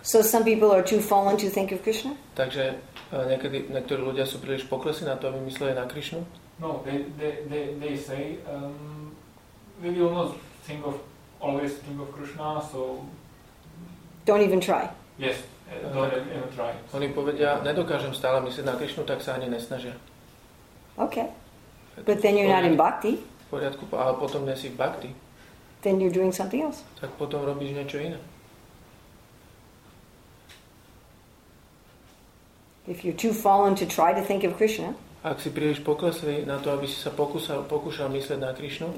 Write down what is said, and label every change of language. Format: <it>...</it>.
<en>So some people are too fallen to think of Krishna?</en> <sk>Takže niektorí ľudia sú príliš poklesí na to, aby mysleli na Krishnu?</sk> <en>No, they say we will not think of always think of Krishna, so don't even try. Yes, don't even try.</en> <sk>Oni povedia, nedokážem stále mysleť na Krishnu, tak sa ani nesnažia.</sk> <en>Okay. But then you're not in bhakti.</en> <sk>V poriadku, ale potom nie si v bhakti.</sk> <en>Then you're doing something else.</en> <sk>Tak potom robíš niečo iné.</sk> <en>If you're too fallen to try to think of Krishna.</en> <sk>Ak si príliš poklesli na to, aby si sa pokúšal mysleť na Krishnu.</sk>